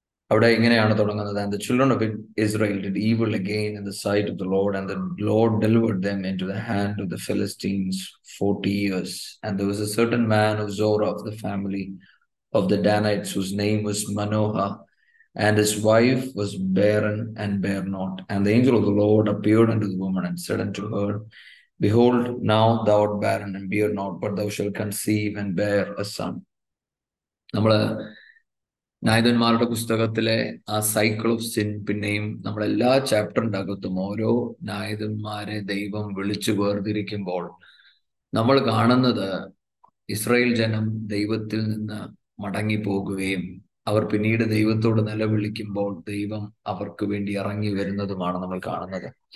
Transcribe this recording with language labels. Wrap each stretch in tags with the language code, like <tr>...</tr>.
<ml>അവിടെ ഇങ്ങനെയാണ് തുടങ്ങുന്നത്:</ml> <en>And the children of Israel did evil again in the sight of the Lord and the Lord delivered them into the hand of the Philistines 40 years. And there was a certain man of Zorah of the family of the Danites whose name was Manoah. And his wife was barren and bare not. And the angel of the Lord appeared unto the woman and said unto her, Behold, now thou art barren and bear not, but thou shalt conceive and bear a son.</en> <ml>നമ്മള് നായകന്മാരുടെ പുസ്തകത്തിലെ ആ</ml> <en>cycle of sin,</en> <ml>പിന്നെയും നമ്മളെല്ലാ ചാപ്റ്ററിന്റെ അകത്തും ഓരോ നായകന്മാരെ ദൈവം വിളിച്ചു വേർതിരിക്കുമ്പോൾ നമ്മൾ കാണുന്നത് ഇസ്രായേൽ ജനം ദൈവത്തിൽ നിന്ന് മടങ്ങിപ്പോകുകയും അവർ പിന്നീട് ദൈവത്തോട് നിലവിളിക്കുമ്പോൾ ദൈവം അവർക്ക് വേണ്ടി ഇറങ്ങി വരുന്നതുമാണ് നമ്മൾ കാണുന്നത്.</ml>